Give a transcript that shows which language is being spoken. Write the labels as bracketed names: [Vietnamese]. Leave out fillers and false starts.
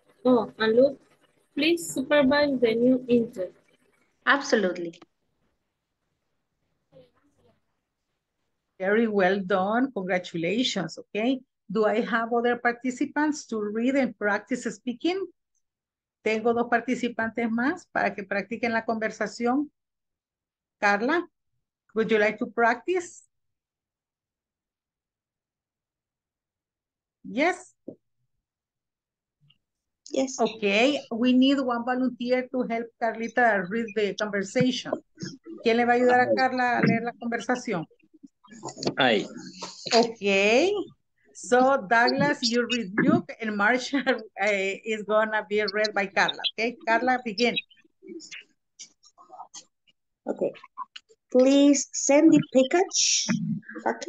[English] Oh, and look, please supervise the new intern. Absolutely. Very well done. Congratulations. Okay. Do I have other participants to read and practice speaking? [Spanish] Tengo dos participantes más para que practiquen la conversación. [English] Carla, would you like to practice? Yes. Yes. Okay. We need one volunteer to help Carlita read the conversation. [Spanish] ¿Quién le va a ayudar a Carla a leer la conversación? [English] Hi. Okay, so Douglas, you read Luke, and Marcia is gonna be read by Carla. Okay, Carla, begin. Okay, please send the package.